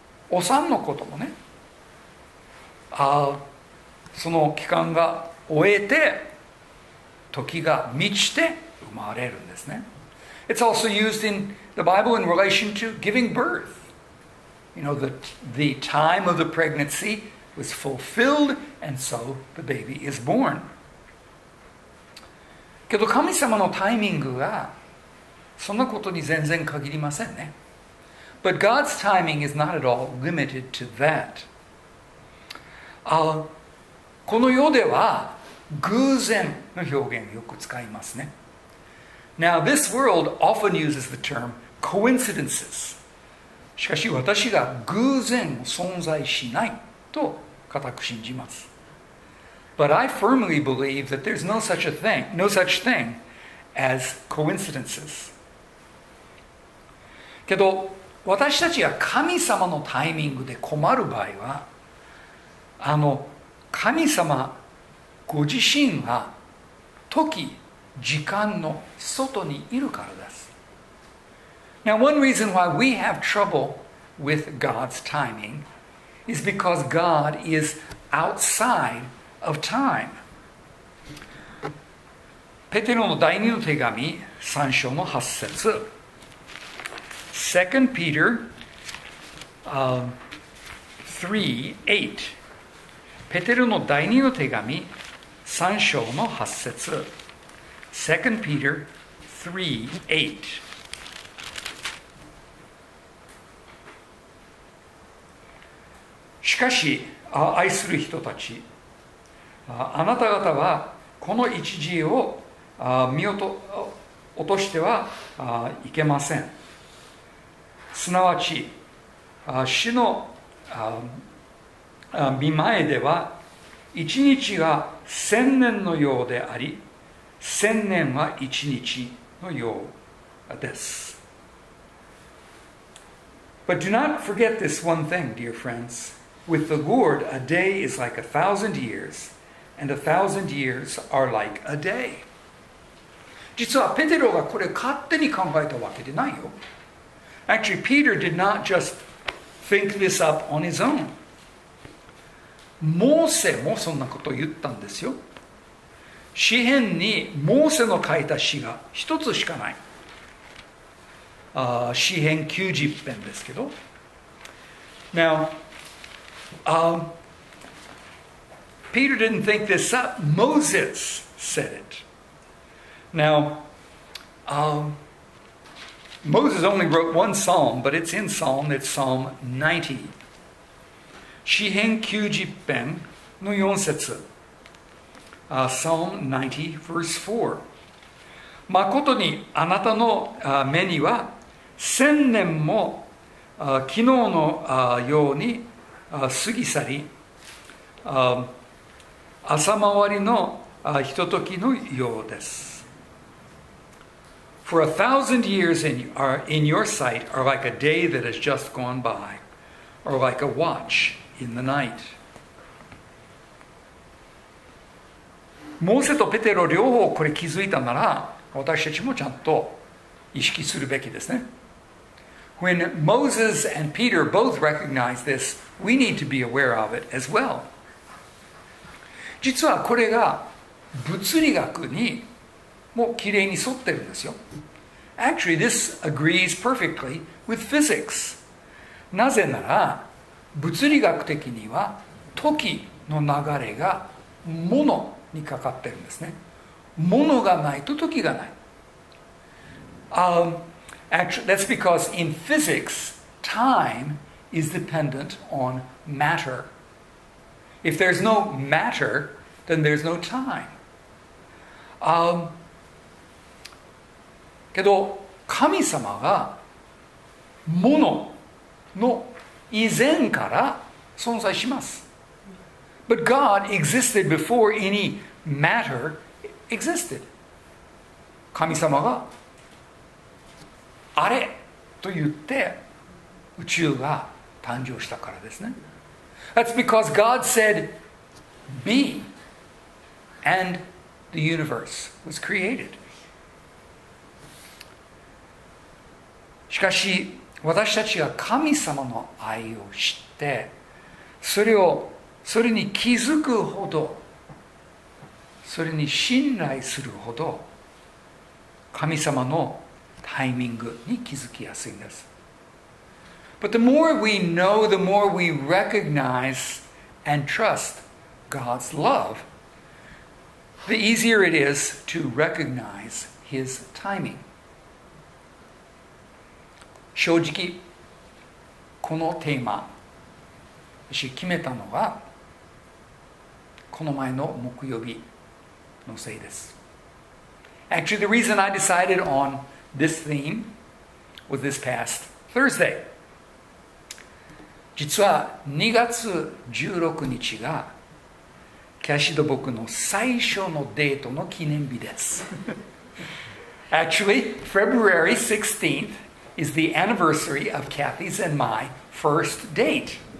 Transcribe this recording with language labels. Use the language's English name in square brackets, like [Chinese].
[Japanese] お産のこともね、ああその期間が終えて時が満ちて生まれるんですね。 [English] It's also used in the Bible in relation to giving birth. You know, the time of the pregnancy was fulfilled and so the baby is born. [Japanese] けど神様のタイミングはそんなことに全然限りませんね。 [English] But God's timing is not at all limited to that. [Japanese] この世では偶然の表現をよく使いますね。 [English] Now this world often uses the term coincidences. [Japanese] しかし私が偶然存在しないと固く信じます。 [English] But I firmly believe that there's no such thing as coincidences. [Japanese] けど私たちが神様のタイミングで困る場合は、神様ご自身が時時間の外にいるからです。 [English] Now one reason why we have trouble with God's timing is because God is outside of time. [Japanese] ペテロの第二の手紙3章の8節。 [English] 2 Peter 3:8。 [Japanese] ペテロの第二の手紙3章の8節。 [English] 2 Peter 3:8。 [Japanese] しかし愛する人たち、あなた方はこの一時を見落としてはいけません。すなわち主の見前では一日が千年のようであり、千年は一日のようです。 [English] But do not forget this one thing, dear friends. With the Lord, a day is like a thousand years, and a thousand years are like a day. [Japanese] 実はペテロがこれ勝手に考えたわけでないよ。 [English] Actually, Peter did not just think this up on his own. [Japanese] モーセもそんなことを言ったんですよ。詩編にモーセの書いた詩が一つしかない。詩編90編ですけど。 [English] Now, Peter didn't think this up. Moses said it. Now, Moses only wrote one psalm, but it's in Psalm. It's Psalm 90. [Japanese] 詩編90編の4節、 [English] Psalm 90 verse 4。 [Japanese] まことにあなたの目には千年も昨日のように過ぎ去り、朝回りのひとときのようです。 [English] For a thousand years in your sight are like a day that has just gone by, or like a watch. In the night. [Japanese] モーセとペテロ両方これ気づいたなら、私たちもちゃんと意識するべきですね。 [English] When Moses and Peter both recognize this, we need to be aware of it as well. [Japanese] 実はこれが物理学にもきれいに沿ってるんですよ。 [English] Actually, this agrees perfectly with physics. [Japanese] なぜなら物理学的には時の流れが物にかかってるんですね。物がないと時がない。 [English] Actually, that's because in physics, time is dependent on matter. If there's no matter, then there's no time. [Japanese] けど神様が物の以前から存在します。 [English] But God existed before any matter existed. [Japanese] 神様があれと言って宇宙が誕生したからですね。 [English] That's because God said be and the universe was created. [Japanese] しかし私たちが神様の愛を知って、それに気づくほど、それに信頼するほど、神様のタイミングに気づきやすいんです。 [English] But the more we know, the more we recognize and trust God's love, the easier it is to recognize His timing. [Japanese] 正直このテーマ私決めたのはこの前の木曜日のせいです。 [English] Actually, the reason I decided on this theme was this past Thursday. [Japanese] 実は2月16日がキャシーと僕の最初のデートの記念日です。 [English] Actually, February 16th is the anniversary of Kathy's and my first date.